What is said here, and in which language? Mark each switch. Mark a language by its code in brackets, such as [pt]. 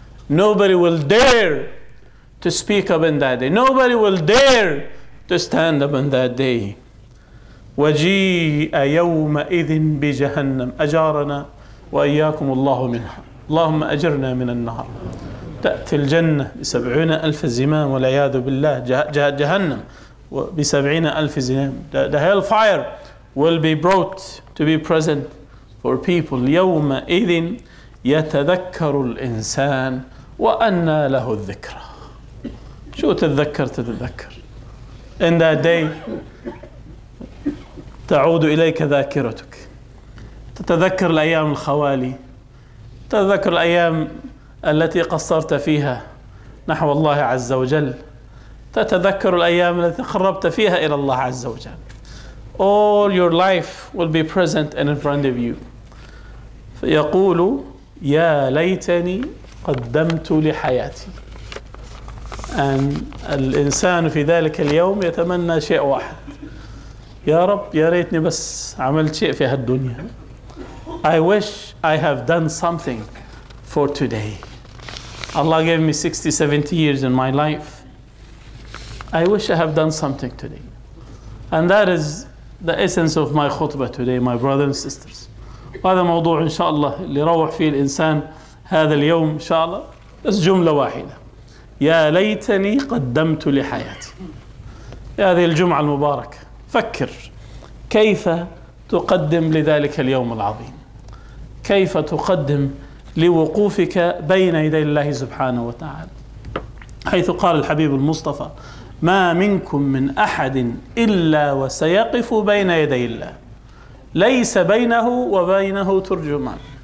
[en] Nobody will dare to speak up in that day. Nobody will dare to stand up in that day. [ar] وجيء يومئذ بجهنم. أجارنا وإياكم الله منها، اللهم أجرنا من النار. تأتي الجنة بسبعين ألف زمام، والعياذ بالله، جهنم بسبعين ألف زمام. [en] The hellfire will be brought to be present for people. [ar] يومئذ يتذكر الإنسان وأنى له الذكرى. شو تتذكر؟ تتذكر [en] in that day [ar] تعود إليك ذاكرتك، تتذكر الأيام الخوالي، تتذكر الأيام التي قصرت فيها نحو الله عز وجل، تتذكر الأيام التي قربت فيها إلى الله عز وجل. [en] All your life will be present and in front of you. [ar] فيقول: يا ليتني قدمت لحياتي. أن الإنسان في ذلك اليوم يتمنى شيء واحد: يا رب، يا ريتني بس عملت شيء في هالدنيا. [en] I wish I have done something for today. Allah gave me 60, 70 years in my life. I wish I have done something today. And that is the essence of my khutbah today, my brothers and sisters. [ar] وهذا موضوع إن شاء الله اللي روح فيه الإنسان هذا اليوم إن شاء الله. بس جملة واحدة: يا ليتني قدمت لحياتي. يا هذه الجمعة المباركة فكر كيف تقدم لذلك اليوم العظيم، كيف تقدم لوقوفك بين يدي الله سبحانه وتعالى، حيث قال الحبيب المصطفى: ما منكم من أحد إلا وسيقف بين يدي الله، ليس بينه وبينه ترجمان.